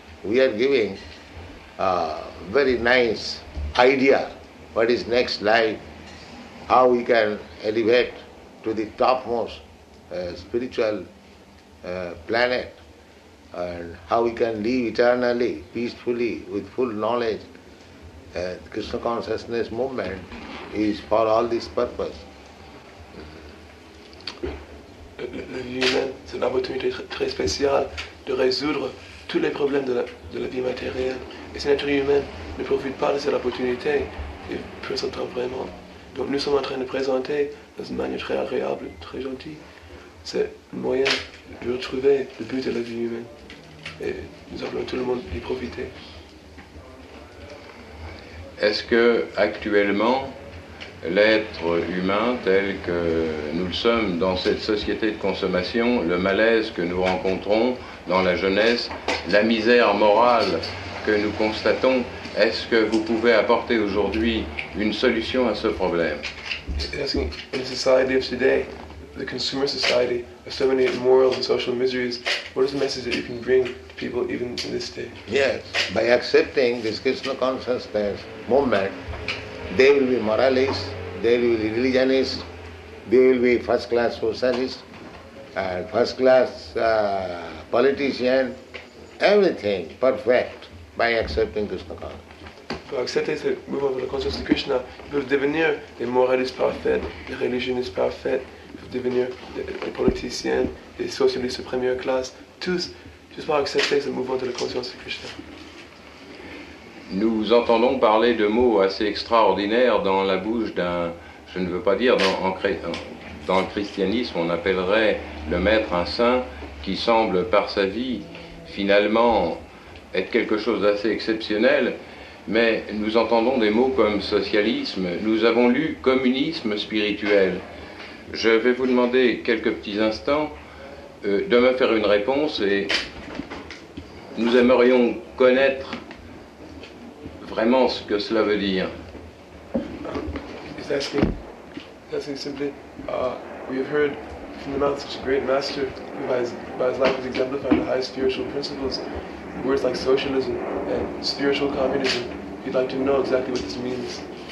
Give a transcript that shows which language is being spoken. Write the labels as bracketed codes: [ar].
[en] We are giving a very nice idea what is next life, how we can elevate to the topmost spiritual planet, and how we can live eternally, peacefully, with full knowledge. The Krishna consciousness movement is for all this purpose. [fr] La vie humaine, c'est une opportunité très spéciale de résoudre tous les problèmes de la vie matérielle. Et ces natures humaines ne profitent pas de cette opportunité et peuvent s'entendre vraiment. Donc nous sommes en train de présenter, dans une manière très agréable, très gentille, ce moyen de retrouver le but de la vie humaine. Et nous appelons tout le monde d'y profiter. Est-ce que, actuellement, l'être humain tel que nous le sommes dans cette société de consommation, le malaise que nous rencontrons dans la jeunesse, la misère morale que nous constatons, est-ce que vous pouvez apporter aujourd'hui une solution à ce problème? [en] In the society of today, the consumer society, with so many moral and social miseries, what is the message that you can bring to people even in this day? Yes, by accepting this Krishna consciousness movement, they will be moralists, they will be religionists, they will be first-class socialists, and first-class politicians, everything perfect by accepting Krishna consciousness. [fr] Pour accepter ce mouvement de la conscience de Krishna, ils peuvent devenir des moralistes parfaits, des religionistes parfaits, ils peuvent devenir des politiciens, des socialistes de première classe, tous, juste pour accepter ce mouvement de la conscience de Krishna. Nous entendons parler de mots assez extraordinaires dans la bouche d'un, je ne veux pas dire, dans le christianisme, on appellerait le maître un saint qui semble par sa vie finalement être quelque chose d'assez exceptionnel. Mais nous entendons des mots comme socialisme, nous avons lu communisme spirituel. Je vais vous demander quelques petits instants de me faire une réponse et nous aimerions connaître vraiment ce que cela veut dire. [en] He's asking simply, we have heard from the mouth of such a great master who by his life has exemplified the highest spiritual principles, words like socialism and spiritual communism. You'd like to know exactly what this means.